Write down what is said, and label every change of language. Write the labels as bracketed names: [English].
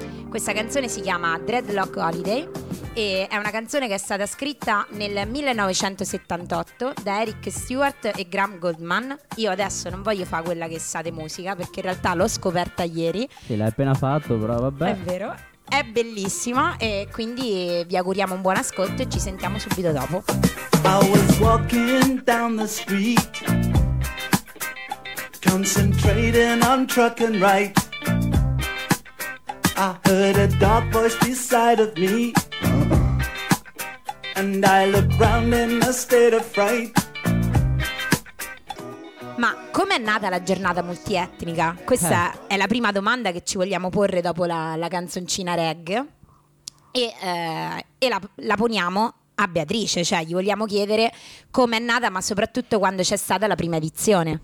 [Italian] Questa canzone si chiama Dreadlock Holiday e è una canzone che è stata scritta nel 1978 da Eric Stewart e Graham Goldman. Io adesso non voglio fare quella che sa di musica perché in realtà l'ho scoperta ieri. Sì, l'hai appena fatto. Però vabbè. È vero, è bellissima e quindi vi auguriamo un buon ascolto e ci sentiamo subito dopo. [English] I was walking down the street, concentrating on truck and right. I heard a dark voice beside of me, and I looked round in a state of fright. [Italian] Ma com'è nata la giornata multietnica? Questa è la prima domanda che ci vogliamo porre dopo la canzoncina reggae. E la poniamo a Beatrice, cioè gli vogliamo chiedere com'è nata, ma soprattutto quando c'è stata la prima edizione.